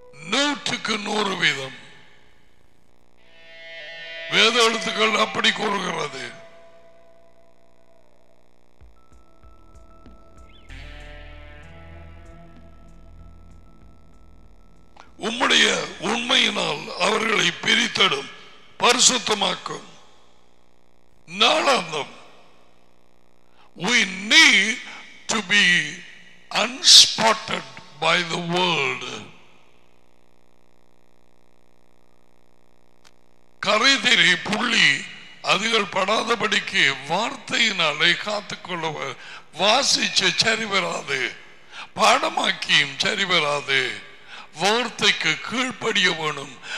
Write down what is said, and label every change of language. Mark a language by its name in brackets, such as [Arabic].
[Tamil] நூற்றுக்கு 100 வீதம் வேத எழுத்துக்கள் அப்படி கூறுகிறது. உம்முடைய உண்மையினால் அவர்களை பிரித்தெடும், பரிசுத்தமாக்கும். நாளாந்தம் [English] We need to be unspotted by the world. [Tamil] கரைதிரி புள்ளி அதுகள் படாதபடிக்கு வார்த்தையினாலே காத்துக்கொள்ளவர். வாசிச்சு சரிவராது, பாடமாக்கியும் சரிவராது, வார்த்தைக்கு கீழ்படிய வேணும்.